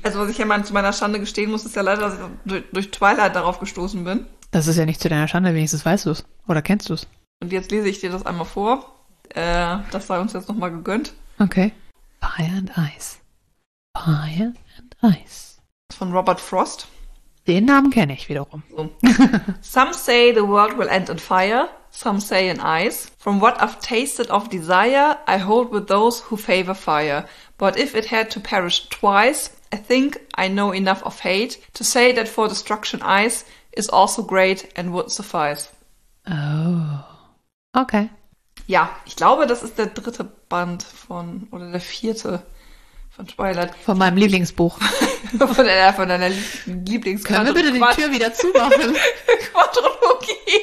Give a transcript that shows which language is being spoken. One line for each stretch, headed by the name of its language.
German: Also was ich ja mal zu meiner Schande gestehen muss, ist ja leider, dass ich durch Twilight darauf gestoßen bin. Das ist ja nicht zu deiner Schande, wenigstens weißt du es. Oder kennst du es? Und jetzt lese ich dir das einmal vor. Das sei uns jetzt nochmal gegönnt.
English: Okay. Fire and Ice. Fire and Ice.
German: Von Robert Frost. Den Namen kenne ich wiederum. So.
English: Some say the world will end in fire, some say in ice. From what I've tasted of desire, I hold with those who favor fire. But if it had to perish twice, I think I know enough of hate to say that for destruction ice is also great and would suffice. Oh. Okay.
German: Ja, ich glaube, das ist der dritte Band von, oder der vierte von Twilight. Von meinem Lieblingsbuch. Von deiner Lieblingsquadrologie. Können wir bitte die Tür wieder zumachen? Quadrologie.